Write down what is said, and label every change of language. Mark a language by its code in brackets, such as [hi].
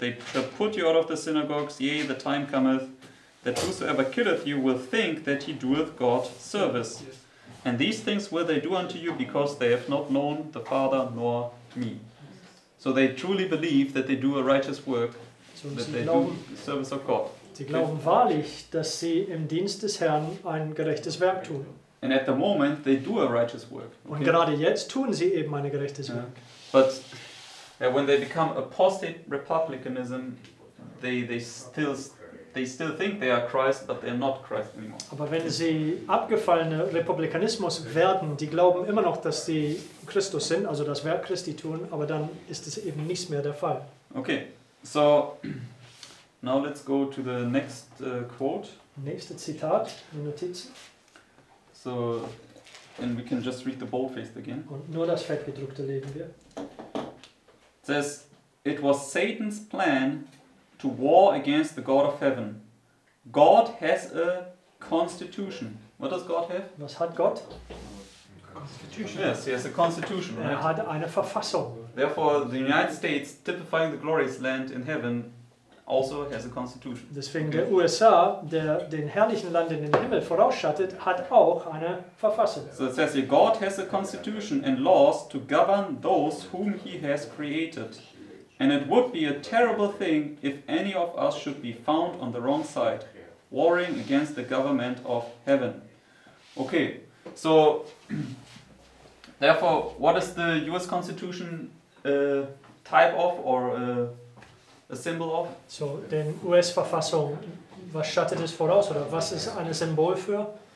[en] They shall put you out of the synagogues, yea, the time cometh. That whosoever killeth you will think that he doeth God service. Yes. And these things will they do unto you, because they have not known the Father nor me. So they truly believe that they do a righteous work, so that they [de] glauben, [en] do the service of God. [de] Sie glauben wahrlich, dass sie im Dienst des Herrn ein gerechtes Werk tun. [en] And at the moment they do a righteous work. Okay? [de] Und gerade jetzt tun sie eben ein gerechtes Werk. [en] But when they become apostate republicanism, they still think they are Christ, but they are not Christ anymore. [de] Aber wenn sie abgefallene Republikanismus werden, die glauben immer noch, dass sie Christus sind, also das Werk Christi tun, aber dann ist es eben nicht mehr der Fall. [en] Okay, so now let's go to the next quote. [de] Nächste Zitat, die Notiz. [en] So, and we can just read the bold-faced again. [de] Und nur das Fettgedruckte lesen wir. [en] It says, it was Satan's plan to war against the God of heaven. God has a constitution. What does God have? [de] Was hat Gott? [en] Constitution. Yes, he has a constitution. [de] Er hat eine Verfassung. [en] Therefore, the United States, typifying the glorious land in heaven, also has a constitution. [de] Deswegen der USA, der den herrlichen Land in den Himmel vorausschattet, hat auch eine Verfassung. [en] So it says here, God has a constitution and laws to govern those whom he has created. And it would be a terrible thing if any of us should be found on the wrong side, warring against the government of heaven. Okay, so, therefore, what is the US Constitution type of or a symbol of? [de] So, den US-Verfassung, was schattet es voraus oder was ist ein Symbol für?